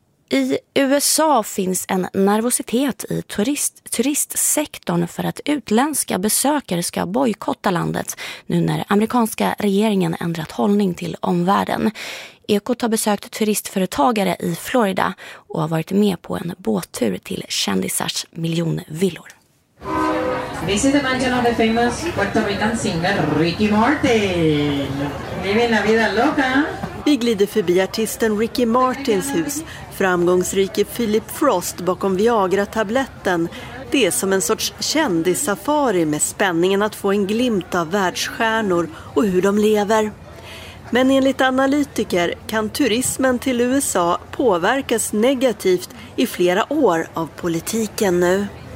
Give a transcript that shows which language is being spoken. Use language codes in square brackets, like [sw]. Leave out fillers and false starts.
[sv] I USA finns en nervositet i turistsektorn för att utländska besökare ska bojkotta landet nu när amerikanska regeringen ändrat hållning till omvärlden. Ekot har besökt turistföretagare i Florida och har varit med på en båttur till kändisars miljonvillor. [en] This is the mansion of the famous Puerto Rican singer Ricky Martin. [es] Vive la vida loca. [sv] Vi glider förbi artisten Ricky Martins hus, framgångsrike Philip Frost bakom Viagra-tabletten. Det är som en sorts kändissafari med spänningen att få en glimt av världsstjärnor och hur de lever. Men enligt analytiker kan turismen till USA påverkas negativt i flera år av politiken nu.